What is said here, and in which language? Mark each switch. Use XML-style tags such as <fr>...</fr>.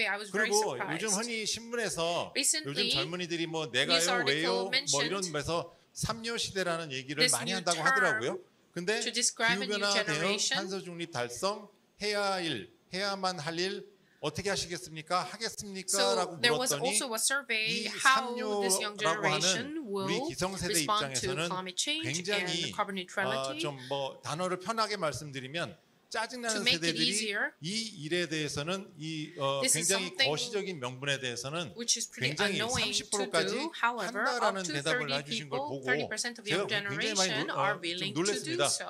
<ko>그리고 요즘 흔히 신문에서 요즘 젊은이들이 뭐 내가요, 왜요, 뭐 이런 데서 3요 시대라는 얘기를 많이 한다고 하더라고요. 근데 기후변화 대응, 탄소 중립 달성 해야 일, 해야만 할 일 어떻게 하시겠습니까? 하겠습니까? 라고 물었더니</ko> <en>so there was also a survey how this young generation will respond to climate change and carbon neutrality.</en> <ko>좀 뭐 단어를 편하게 말씀드리면 짜증나는 세대들이 이 일에 대해서는 이 굉장히 거시적인 명분에 대해서는 굉장히 30%까지 한다라는 대답을 해주신 걸 보고 제가 굉장히 많이 놀랐습니다.</ko>